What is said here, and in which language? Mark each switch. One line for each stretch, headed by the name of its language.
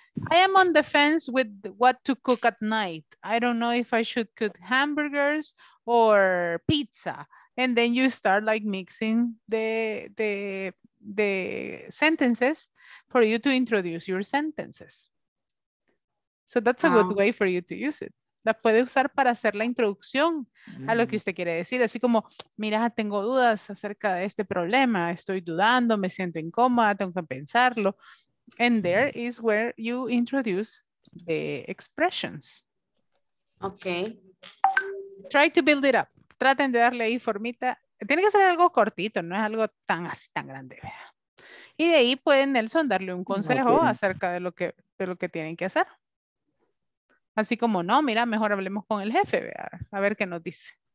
English: I am on the fence with what to cook at night. I don't know if I should cook hamburgers or pizza. And then you start like mixing the sentences for you to introduce your sentences. So that's a good way for you to use it.
Spanish: La puede usar para hacer la introducción a lo que usted quiere decir. Así como, mira, tengo dudas acerca de este problema. Estoy dudando, me siento incómoda, tengo que pensarlo.
English: And there is where you introduce the expressions. Okay. Try to build it up.
Spanish: Traten de darle ahí formita. Tiene que ser algo cortito, no es algo tan así, tan grande. Y de ahí puede Nelson darle un consejo acerca de lo que tienen que hacer. Así como, no, mira, mejor hablemos con el jefe, a ver qué nos dice.